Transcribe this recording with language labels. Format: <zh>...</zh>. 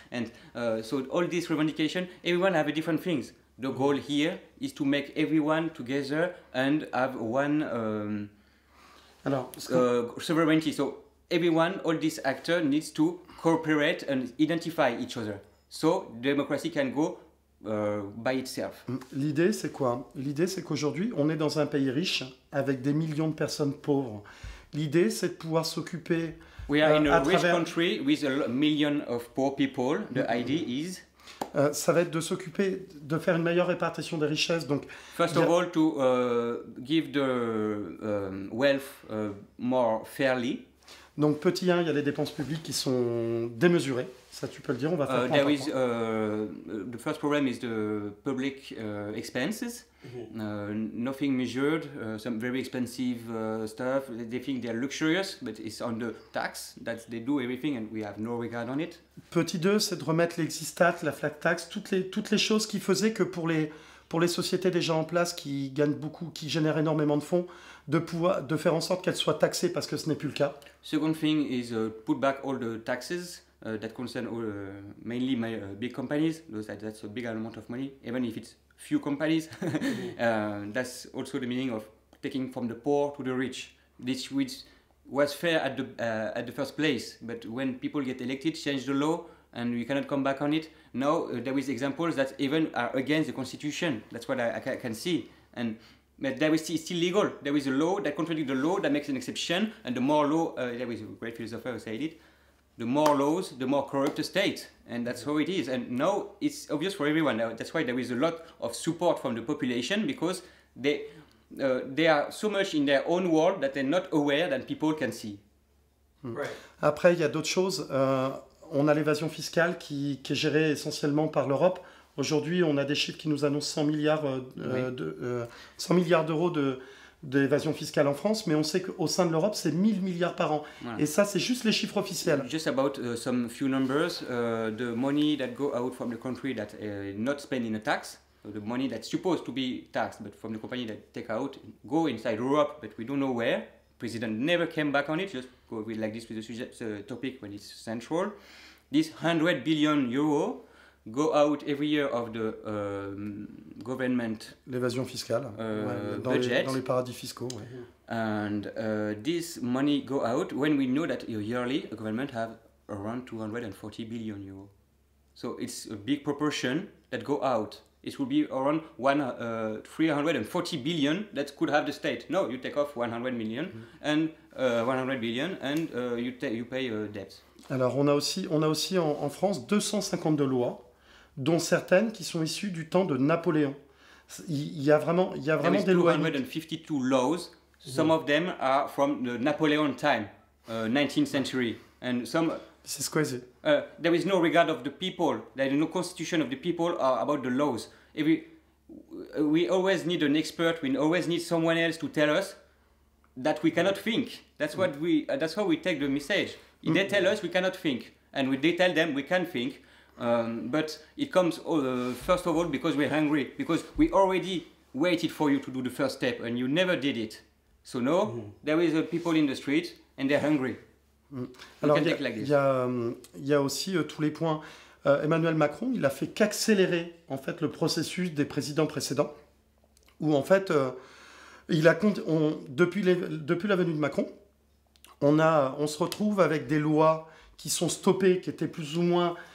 <en>And so all these revendications, everyone have a different things. The goal here is to make everyone together and have one... sovereignty. So everyone, all these actors, needs to cooperate and identify each other. So democracy can go by itself.</en> <fr>L'idée, c'est quoi? L'idée, c'est qu'aujourd'hui, on est dans un pays riche avec des millions de personnes pauvres. L'idée, c'est de pouvoir s'occuper.</fr> <en>We are in a rich country with a million of poor people. The idea is.</en> <fr>Ça va être de s'occuper de faire une meilleure répartition des richesses. Donc,</fr> <en>first of all, to give the wealth more fairly.</en> <fr>Donc, petit 1, il y a les dépenses publiques qui sont démesurées. Ça, tu peux le dire, on va faire point</fr> <en>there</en> <fr>par</fr> <en>is,</en> <fr>point.</fr> <en>The first problem is the public expenses. Nothing measured, some very expensive stuff. They think they are luxurious, but it's on the tax that they do everything and we have no regard on it. Petit 2, c'est de remettre l'existat, la flat tax, toutes les choses qui faisaient que pour les sociétés déjà en place qui gagnent beaucoup, qui génèrent énormément de fonds, de faire en sorte qu'elles soient taxées parce que ce n'est plus le cas. Second thing is put back all the taxes that concern all, mainly my big companies. Those that, that's a big amount of money, even if it's few companies. That's also the meaning of taking from the poor to the rich, which was fair at the first place. But when people get elected, change the law, and we cannot come back on it. Now there is examples that even are against the constitution. That's what I can see. And but there is still legal. There is a law that contradicts the law that makes an exception. And the more law, there is a great philosopher who said it, the more laws, the more corrupt the state. And that's how it is. And now it's obvious for everyone. That's why there is a lot of support from the population, because they are so much in their own world that they're not aware that people can see. Right.</en> <fr>Après, il y a d'autres choses. On a l'évasion fiscale qui est gérée essentiellement par l'Europe. Aujourd'hui, on a des chiffres qui nous annoncent 100 milliards, oui. 100 milliards d'euros d'évasion fiscale en France, mais on sait qu'au sein de l'Europe, c'est 1 000 milliards par an. Voilà. Et ça, c'est juste les chiffres officiels.</fr> <en>Just about some few numbers. The money that go out from the country that not spent in a tax, the money that's supposed to be taxed, but from the company that take out, go inside Europe, but we don't know where. President never came back on it, just go with like this with the subject, topic when it's central. This 100 billion euro go out every year of the government...</en> <fr>L'évasion fiscale, ouais, dans les paradis fiscaux. Ouais.</fr> <en>And this money go out when we know that yearly a government have around 240 billion euro. So it's a big proportion that go out. It would be around 340 billion that could have the state. No, you take off 100 million and 100 billion and you pay debts.</en> <fr>Alors on a aussi en France 252 lois, dont certaines qui sont issues du temps de Napoléon. Il y a vraiment des lois.</fr> <en>252 laws. Some of them are from the Napoleon time, 19th century, and some.</en> <fr>C'est squeezy.</fr> <en>There is no regard of the people. There is no constitution of the people about the laws. We always need an expert. We always need someone else to tell us that we cannot think. That's what we. That's how we take the message. Mm. They tell us we cannot think, and they tell them we can think. But it comes first of all because we're hungry, because we already waited for you to do the first step, and you never did it. So no, there is people in the street, and they're hungry.</en> <fr>Alors, il y a aussi tous les points. Emmanuel Macron, il a fait qu'accélérer en fait le processus des présidents précédents, où en fait, depuis la venue de Macron, on se retrouve avec des lois qui sont stoppées, qui étaient plus ou moins.</fr>